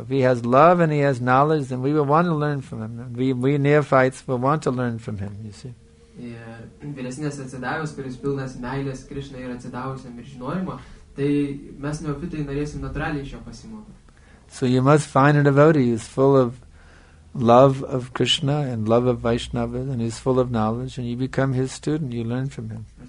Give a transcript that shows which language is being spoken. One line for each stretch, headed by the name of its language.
English: If he has love and he has knowledge, then we will want to learn from him. We neophytes will want to learn from him, you see.
Lithuanian: Vyresnės atsidavęs, kuris pilnas meilės Krishna ir atsidavusiam ir žinojimo, tai mes neofitai norėsim natūraliai iš jo pasimokti.
English: So you must find a devotee who's full of love of Krishna and love of Vaishnava, and he's full of knowledge, and you become his student, you learn from him.